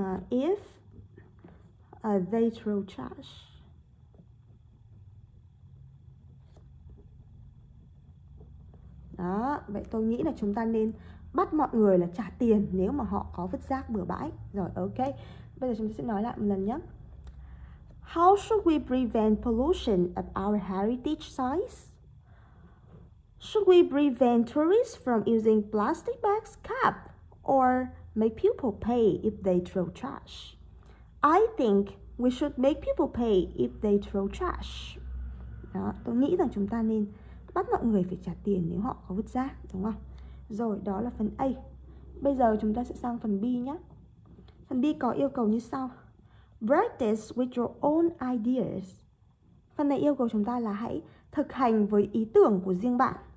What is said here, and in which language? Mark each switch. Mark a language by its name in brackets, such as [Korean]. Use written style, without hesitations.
[English] If they throw trash. [Vietnamese] Đó, vậy tôi nghĩ là chúng ta nên bắt mọi người là trả tiền nếu mà họ có vứt rác bừa bãi. Rồi, ok. Bây giờ chúng ta sẽ nói lại một lần nhé. [English] How should we prevent pollution at our heritage sites? Should we prevent tourists from using plastic bags, cap, or make people pay if they throw trash? I think we should make people pay if they throw trash. [Vietnamese] Đó, tôi nghĩ rằng chúng ta nên bắt mọi người phải trả tiền nếu họ có vứt rác, đúng không? Rồi, đó là phần A. Bây giờ chúng ta sẽ sang phần B nhé. Phần B có yêu cầu như sau. [English] Practice with your own ideas. [Vietnamese] Phần này yêu cầu chúng ta là hãy thực hành với ý tưởng của riêng bạn.